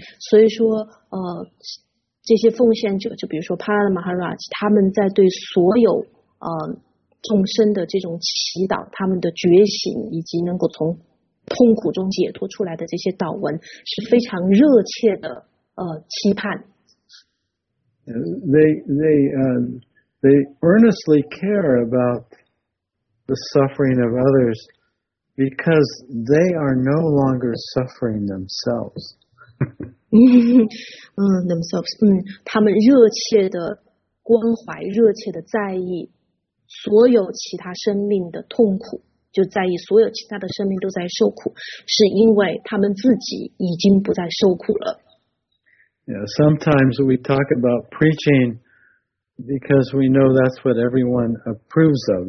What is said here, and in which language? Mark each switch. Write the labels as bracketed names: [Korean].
[Chinese] 所以说这些奉献者，就比如说 Prahlad Maharaj， 他们在对所有众生的这种祈祷，他们的觉醒以及能够从痛苦中解脱出来的这些祷文，是非常热切的期盼。 [English] They earnestly care about the suffering of others because they are no longer suffering themselves. themselves. [Chinese] 他们热切的关怀，热切的在意所有其他生命的痛苦。就在意所有其他的生命都在受苦，是因为他们自己已经不再受苦了。 [English] Yeah, sometimes we talk about preaching because we know that's what everyone approves of.